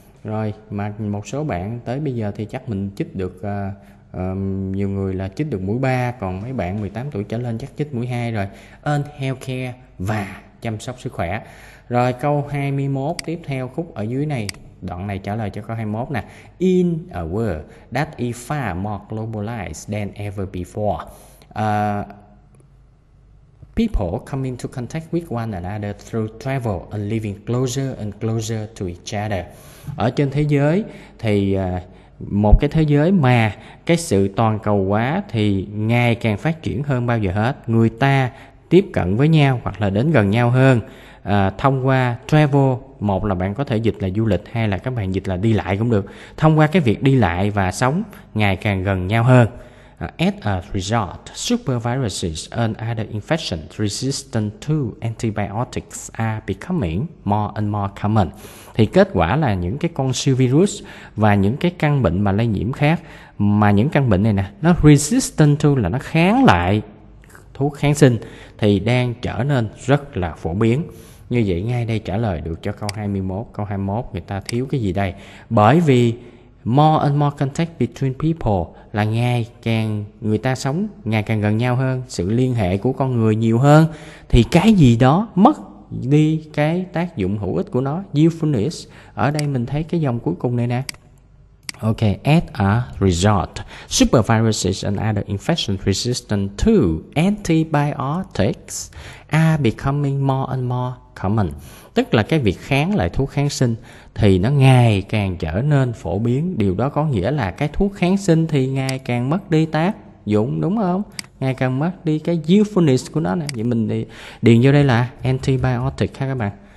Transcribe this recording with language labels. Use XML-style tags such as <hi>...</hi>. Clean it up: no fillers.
<vi>Rồi, mà một số bạn tới bây giờ thì chắc mình chích được nhiều người là chích được mũi 3, còn mấy bạn 18 tuổi trở lên chắc chích mũi 2 rồi.</vi> <en>And healthcare</en> <vi>và chăm sóc sức khỏe. Rồi, câu 21 tiếp theo khúc ở dưới này, đoạn này trả lời cho câu 21 nè.</vi> <en>In a world that is far more globalized than ever before, people come into contact with one another through travel and living closer and closer to each other.</en> <vi>Ở trên thế giới thì một cái thế giới mà cái sự toàn cầu hóa thì ngày càng phát triển hơn bao giờ hết, người ta tiếp cận với nhau hoặc là đến gần nhau hơn thông qua travel. Một là bạn có thể dịch là du lịch, hay là các bạn dịch là đi lại cũng được. Thông qua cái việc đi lại và sống ngày càng gần nhau hơn.</vi> <en>As a result, superviruses and other infections resistant to antibiotics are becoming more and more common.</en> <vi>Thì kết quả là những cái con siêu virus và những cái căn bệnh mà lây nhiễm khác, mà những căn bệnh này nè, nó</vi> <en>resistant to</en> <vi>là nó kháng lại thuốc kháng sinh, thì đang trở nên rất là phổ biến. Như vậy ngay đây trả lời được cho câu 21. Câu 21 người ta thiếu cái gì đây? Bởi vì</vi> <en>more and more contact between people</en> <vi>là ngày càng người ta sống ngày càng gần nhau hơn, sự liên hệ của con người nhiều hơn, thì cái gì đó mất đi cái tác dụng hữu ích của nó. Usefulness, ở đây mình thấy cái dòng cuối cùng này nè.</vi> <en>Ok, as a result, superviruses and other infections resistant to antibiotics are becoming more and more common.</en> <vi>Tức là cái việc kháng lại thuốc kháng sinh thì nó ngày càng trở nên phổ biến. Điều đó có nghĩa là cái thuốc kháng sinh thì ngày càng mất đi tác dụng, đúng không? Ngày càng mất đi cái usefulness của nó nè. Vậy mình điền vô đây là antibiotic ha các bạn.</vi>